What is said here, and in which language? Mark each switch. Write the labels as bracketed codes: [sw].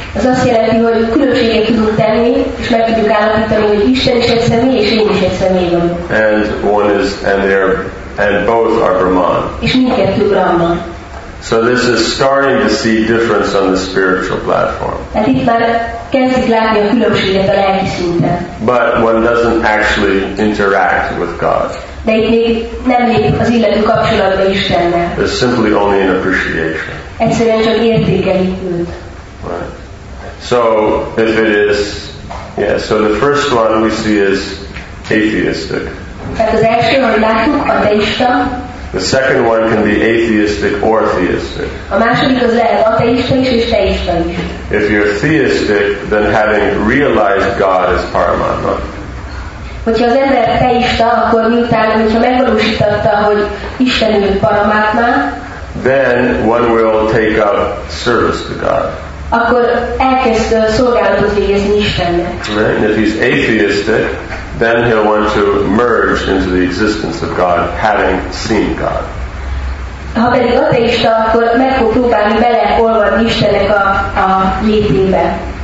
[hu] Ez azt jelenti, hogy különbséget tudunk tenni, és meg tudjuk állapítani, hogy Isten is egy személy, és én is egy személy vagyok. [en] And one is, and both are Brahman. [hu] És mindkettő Brahman. [en] So this is starting to see difference on the spiritual platform. [hu] Tehát itt már kezdik látni a különbséget a lelki szinten. [en] But one doesn't actually interact with God. [hu] De itt még nem lép az illető kapcsolatba Istennel. [en] It's simply only an appreciation. [hu] Egyszerűen csak értékeli őt. [en] Right. So if it is, yeah, so the first one we see is atheistic. [hu] Tehát az első, ahogy látjuk, ateista. [en] The second one can be atheistic or theistic. [hu] A második az lehet ateista is és teista is. [en] If you're theistic, then having realized God is paramatma. [hu] Hogyha az ember teista, akkor miután, hogyha megvalósította, hogy Isten ő paramatma, [en] then one will take up service to God. [hu] Akkor elkezd szolgálatot végezni Istennek. [en] Right? And if he's atheistic, then he'll want to merge into the existence of God, having seen God. [hu] Ha pedig ateista, akkor meg fog próbálni beleolvadni Istennek a létébe.